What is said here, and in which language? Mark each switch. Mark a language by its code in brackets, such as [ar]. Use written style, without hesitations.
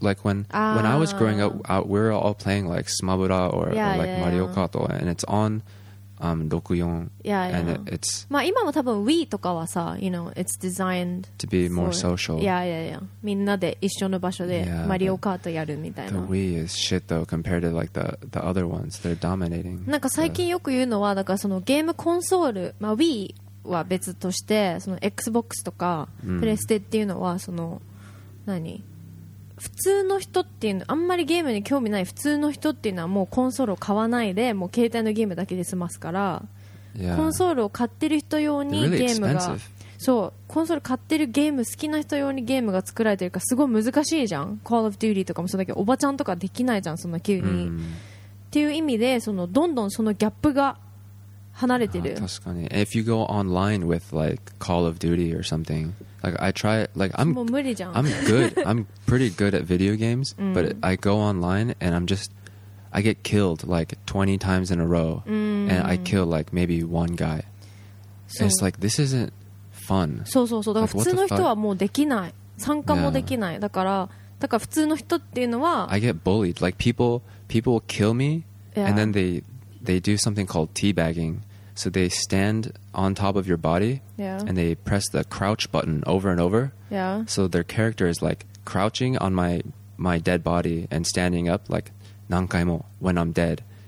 [en] Like when I was growing up, we were all playing like Smabura or Mario Kart, and it's on 64. Yeah, and it's. [ja] まあ今も多分 Wii とかはさ、 you know, it's designed [en] to be more social. [ja] Yeah. みんなで一緒の場所で Mario Kart やるみたいな。 [en] The Wii is shit though compared to like the other ones. They're dominating. [ja] なんか最近よく言うのは、だからそのゲームコンソール、まあ Wii。は別として、その Xbox とかプレステっていうのはその何、普通の人っていうの、あんまりゲームに興味ない普通の人っていうのはもうコンソールを買わないで、もう携帯のゲームだけで済ますから、コンソールを買ってる人用にゲームが、そうコンソール買ってるゲーム好きな人用にゲームが作られてるから、すごい難しいじゃん。 Call of Duty とかもそうだけど、おばちゃんとかできないじゃん、そんな急に、っていう意味で、そのどんどんそのギャップが離れてる。確かに。 [en] If you go online with like Call of Duty or something, like I try, like I'm, [ja] もう無理じゃん。 [en] I'm good, I'm pretty good at video games, but I go online and I'm just, I get killed like 20 times in a row, and I kill like maybe one guy. It's like, this isn't fun. [ja] そうそうそう。だから普通の人はもうできない。参加もできない。だから普通の人っていうのは、 [en] I get bullied. Like people will kill me, and then they do something called teabagging. So they stand on top of your body, and they press the crouch button over and over. Yeah. So their character is like crouching on my dead body and standing up like 何回も when I'm dead.